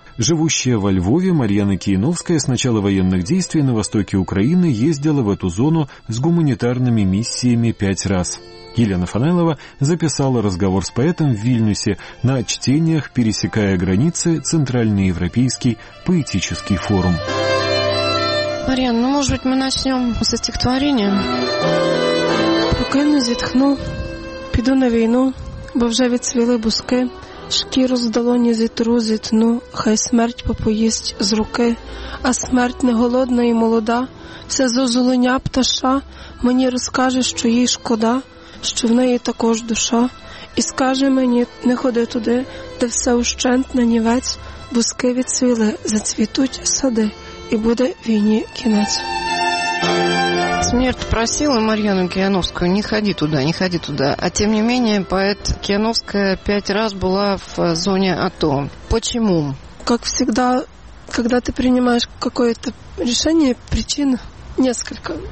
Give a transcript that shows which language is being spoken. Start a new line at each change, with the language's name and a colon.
Russian: Живущая во Львове, Марьяна Кияновская с начала военных действий на востоке Украины ездила в эту зону с гуманитарными миссиями 5 раз. Елена Фанайлова записала разговор с поэтом в Вильнюсе на чтениях, пересекая границы, Центральноевропейский поэтический форум. Марьяна, ну, может быть, мы начнем со стихотворения?
Ukrainian: Покину зітхну, піду на війну, бо вже відцвіли буски, шкіру з долоні зітру, зітну, хай смерть попоїсть з руки, а смерть не голодна і молода, все зозуленя пташа, мені розкаже, що їй шкода, що в неї також душа, і скаже мені, не ходи туди, де все ущент на нівець, буски відцвіли, зацвітуть сади, і буде війні кінець.
Russian: Смерть просила Марьяну Кияновскую: не ходи туда, не ходи туда. А тем не менее, поэт Кияновская 5 раз была в зоне АТО. Почему? Как всегда, когда ты принимаешь какое-то решение, причин несколько.